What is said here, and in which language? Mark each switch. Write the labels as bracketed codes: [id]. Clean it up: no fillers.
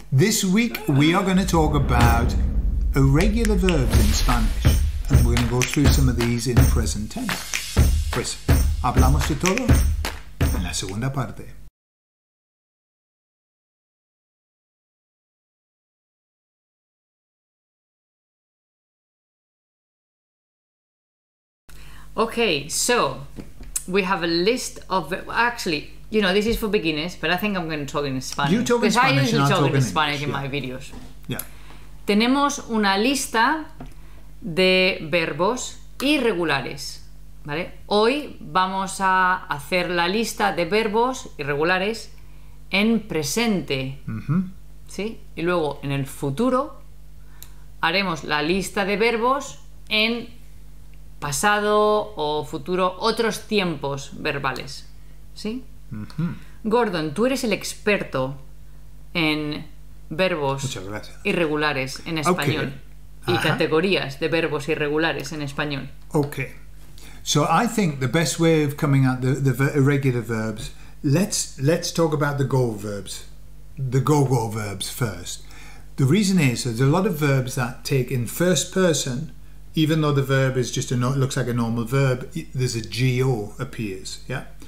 [en] This week we are going to talk about irregular verbs in Spanish. And we're going to go through some of these in present tense. [es] Pues, hablamos de todo en la segunda parte. [en] Okay, so we have a list of, actually, you know, this is for beginners, but I think I'm going to talk in Spanish. You talk in Spanish, because I usually talk in Spanish English, in my videos. Yeah. [es] Tenemos una lista de verbos irregulares, ¿vale? Hoy vamos a hacer la lista de verbos irregulares en presente, ¿sí? Y luego en el futuro haremos la lista de verbos en pasado o futuro, otros tiempos verbales, ¿sí? Gordon, tú eres el experto en verbos irregulares en español. [en] Okay. [es] Y categorías de verbos irregulares en español. [en] Okay. So I think the best way of coming at the irregular verbs, let's talk about the go verbs, the go-go verbs first. The reason is there's a lot of verbs that take in first person, even though the verb is just looks like a normal verb, there's a G-O appears, yeah?